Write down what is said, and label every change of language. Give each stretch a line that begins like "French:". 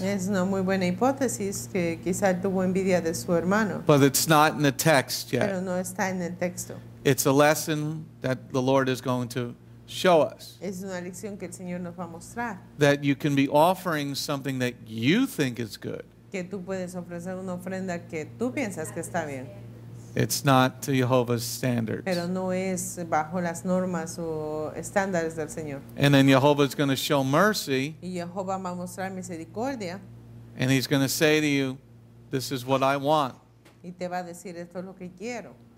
Spanish: Es una muy buena hipótesis que quizá tuvo envidia de su hermano.
English: But it's not in the text yet.
Spanish: Pero no está en el texto.
English: It's a lesson that the Lord is going to show us.
Spanish: Es una lección que el Señor nos va a mostrar.
English: That you can be offering something that you think is good.
Spanish: Que tú puedes ofrecer una ofrenda que tú piensas que está bien.
English: It's not to Jehovah's standards.
Spanish: Pero no es bajo las normas o estándares del Señor.
English: And then Jehovah's going to show mercy.
Spanish: Y Jehová va a mostrar misericordia.
English: And he's going to say to you, this is what I want.
Spanish: Y te va a decir, esto es lo que quiero.